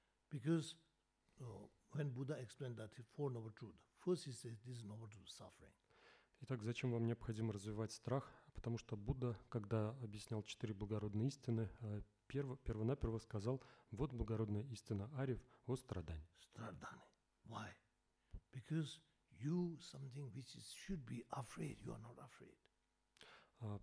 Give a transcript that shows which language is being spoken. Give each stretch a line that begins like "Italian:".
English: Because when Buddha explained that four noble truths, first he says this is noble truth of suffering.
Russian: Итак, зачем вам необходимо развивать страх? Потому что Будда, когда объяснял четыре благородные истины, первонаперво сказал, вот благородная истина ариев о страдании. Страдание.
English: Why? Because you something which is should be afraid, you are not afraid.